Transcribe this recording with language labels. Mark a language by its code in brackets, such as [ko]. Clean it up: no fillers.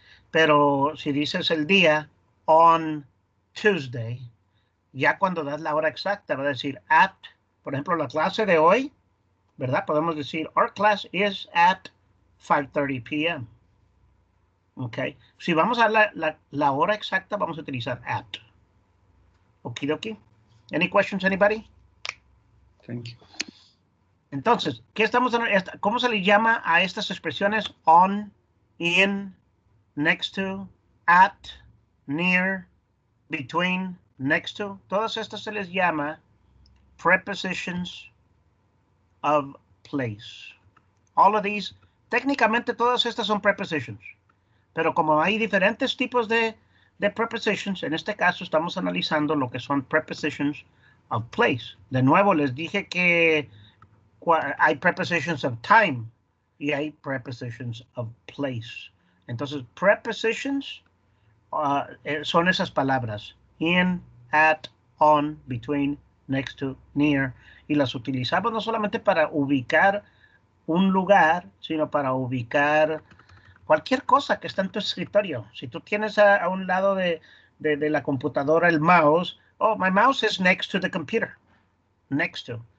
[es] Pero si dices el día, [en] on Tuesday, [es] ya cuando das la hora exacta, va a decir at, por ejemplo, la clase de hoy, ¿verdad? Podemos decir, [en] our class is at 5:30 p.m. [es] ¿Ok? Si vamos a la hora exacta, vamos a utilizar at. Okidoki. [en] Any questions, anybody? Thank you. [es] Entonces, ¿qué estamos en esta? ¿Cómo se le llama a estas expresiones? [en] On, in, next to, at, near, between, next to. [es] Todas estas se les llama prepositions of place. [en] All of these, [es] técnicamente todas estas son prepositions. Pero como hay diferentes tipos de prepositions, en este caso estamos analizando lo que son prepositions of place. De nuevo, les dije que hay prepositions of time y hay prepositions of place. Entonces, prepositions son esas palabras. [en] In, at, on, between, next to, near. [es] Y las utilizamos no solamente para ubicar un lugar, sino para ubicar cualquier cosa que está en tu escritorio. Si tú tienes a un lado de la computadora el mouse, [en] oh, my mouse is next to the computer. Next to.